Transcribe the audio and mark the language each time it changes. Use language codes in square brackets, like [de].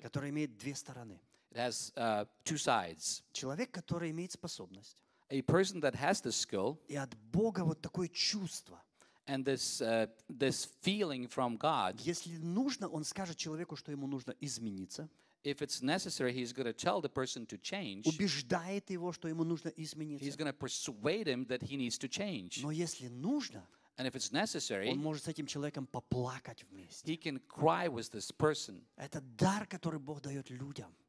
[ru] Которое имеет две стороны. [en] It has two sides. [ru] Человек, который имеет способность. [en] A person that has this skill. [ru] И от Бога вот такое чувство. [en] And this feeling from God. [ru] Если нужно, он скажет человеку, что ему нужно измениться. [en] If it's necessary, he's going to tell the person to change. [ru] Убеждает его, что ему нужно измениться. [en] He's going to persuade him that he needs to change. [ru] Но если нужно, [en] and if it's necessary, [ru] он может с этим человеком поплакать вместе. [en] He can cry with this person. [ru] Это дар, который Бог дает людям.